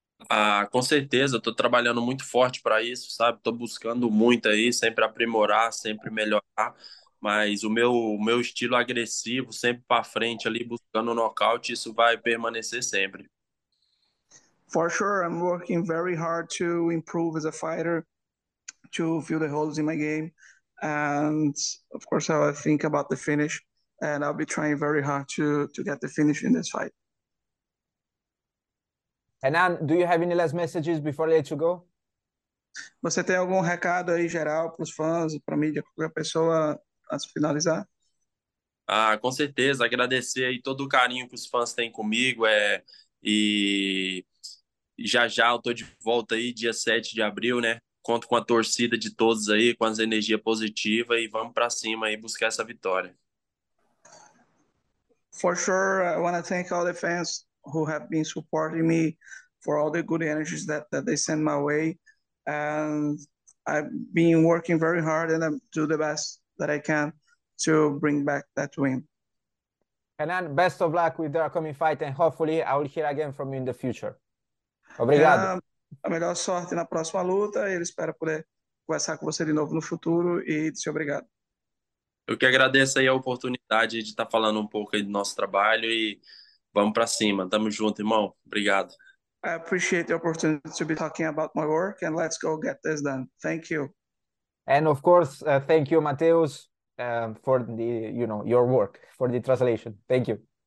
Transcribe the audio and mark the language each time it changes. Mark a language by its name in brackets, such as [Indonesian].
[Portuguese] Ah, com certeza, estou trabalhando muito forte para isso, sabe? Estou buscando muito aí, sempre aprimorar, sempre melhorar, mas o meu estilo agressivo, sempre para frente ali, buscando nocaute, isso vai permanecer sempre. [English] For sure, I'm working very hard to improve as a fighter, to fill the holes in my game. And of course, I think about the finish, and I'll be trying very hard to get the finish in this fight. Renan, do you have any last messages before I let you go? [Portuguese] Você tem algum recado aí geral para os fãs, para a mídia, qualquer pessoa, antes de finalizar? Ah, com certeza, agradecer aí todo o carinho que os fãs têm comigo. E já já eu tô de volta aí, dia 7 de abril, né? Conto com a torcida de todos aí, com as energias positivas, e vamos para cima aí buscar essa vitória. [English] For sure, I want to thank all the fans who have been supporting me for all the good energies that they send my way. And I've been working very hard and I do the best that I can to bring back that win. Renan, best of luck with the upcoming fight, and hopefully I will hear again from you in the future. [Portuguese] Obrigado. Tenha a melhor sorte na próxima luta e eu espero poder conversar com você de novo no futuro e te obrigado. Eu que agradeço aí a oportunidade de estar falando um pouco aí do nosso trabalho, e vamos para cima. Tamo junto, irmão. Obrigado. [English] I appreciate the opportunity to be talking about my work and let's go get this done. Thank you. And of course, thank you, Mateus. For the, you know, your work, for the translation. Thank you.